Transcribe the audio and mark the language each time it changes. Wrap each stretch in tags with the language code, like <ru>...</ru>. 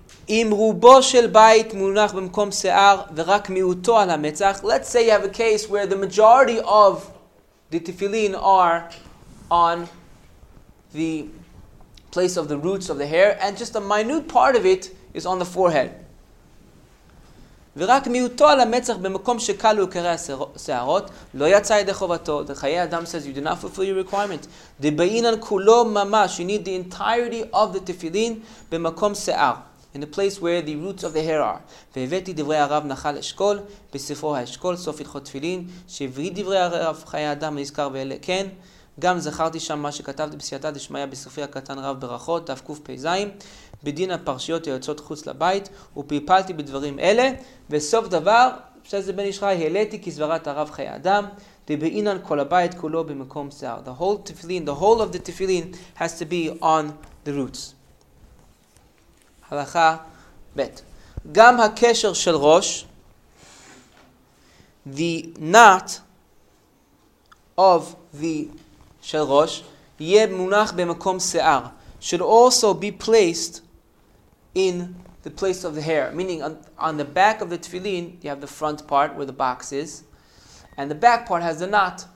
<en>Let's say you have a case where the majority of the tefillin are on the place of the roots of the hair, and just a minute part of it is on the forehead.</en> <he>ורק מיותו על המצח במקום שקל לו יקרה השערות, לא יצא ידי חובתו.</he> <en>The חיי אדם says, you did not fulfill your requirement. The</en> <he>בעינן כולו ממש,</he> <en>you need the entirety of the תפילין במקום שיער. In the place where the roots of the hair are.</en> <he>והבאתי דברי הרב נחל אשכול, בספרו האשכול, סוף הלכות תפילין, שהביא דברי הרב חיי אדם הנזכר ואלה, כן, גם זכרתי שם מה שכתבתי בסייעתא דשמיא בספרי הקטן רב ברכות, דף קפ"ז, בדין הפרשיות היוצאות חוץ לבית, ופלפלתי בדברים אלה, וסוף דבר, שזה זה בן ישראל, העליתי כסברת הרב חיי אדם, דבעינן כל הבית כולו במקום שיער.</he> <en>The whole tefillin, the whole of the tefillin has to be on the roots.</en> <he>הלכה ב' גם הקשר של ראש,</he> <en>the knot of the של ראש,</en> <he>יהיה מונח במקום שיער,</he> <en>should also be placed in the place of the hair, meaning on the back of the tefillin you have the front part where the box is, and the back part has the knot.</en>